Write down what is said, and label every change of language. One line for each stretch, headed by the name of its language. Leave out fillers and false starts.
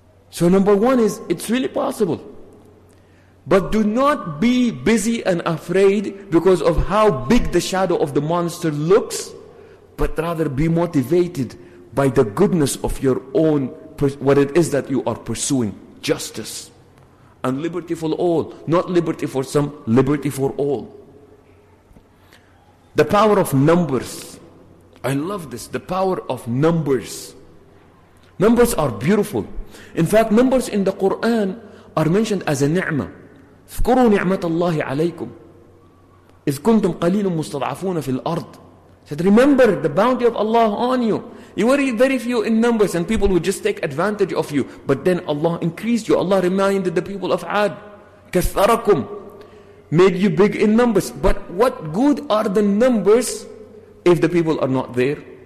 English: So number one is, it's really possible. But do not be busy and afraid because of how big the shadow of the monster looks, but rather be motivated by the goodness of your own, what it is that you are pursuing, justice and liberty for all, not liberty for some, liberty for all. The power of numbers. I love this, the power of numbers. Numbers are beautiful. In fact, numbers in the Quran are mentioned as a ni'mah.
Arabic: اذكروا نعمة الله عليكم إذ كنتم قليلا مستضعفون في الأرض.
English: Said, remember the bounty of Allah on you. You were very few in numbers and people would just take advantage of you. But then Allah increased you. Allah reminded the people of Ad.
Arabic: كثركم.
English: Made you big in numbers. But what good are the numbers if the people are not there?